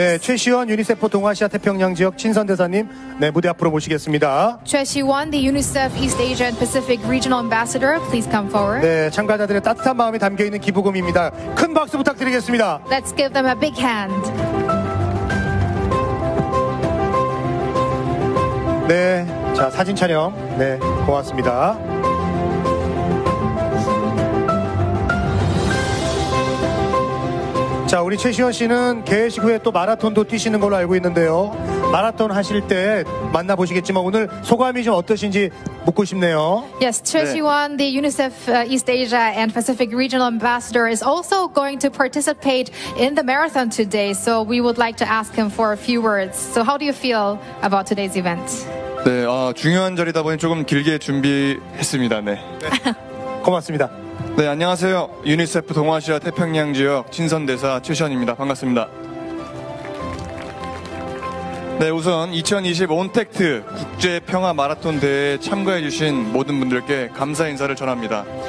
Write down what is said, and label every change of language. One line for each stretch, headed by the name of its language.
Korean: 네, 최시원 UNICEF 동아시아 태평양 지역 친선 대사님, 네, 무대 앞으로 모시겠습니다.
English: 최시원, the UNICEF East Asia and Pacific Regional Ambassador, please come forward.
Korean: 네, 참가자들의 따뜻한 마음이 담겨 있는 기부금입니다. 큰 박수 부탁드리겠습니다.
English: Let's give them a big hand.
Korean: 네, 자, 사진 촬영. 네, 고맙습니다. 자, 우리 최시원 씨는 개회식 후에 또 마라톤도 뛰시는 걸로 알고 있는데요. 마라톤 하실 때 만나보시겠지만 오늘 소감이 좀 어떠신지 묻고 싶네요.
English: Yes, Choi Siwon, the UNICEF East Asia and Pacific Regional Ambassador is also going to participate in the marathon today. So we would like to ask him for a few words. So how do you feel about today's event?
Korean: 네, 아, 중요한 자리다 보니 조금 길게 준비했습니다. 네. 고맙습니다. 네, 안녕하세요. 유니세프 동아시아 태평양 지역 친선 대사 최시원입니다. 반갑습니다. 네, 우선 2020 온택트 국제 평화 마라톤 대회에 참가해 주신 모든 분들께 감사 인사를 전합니다.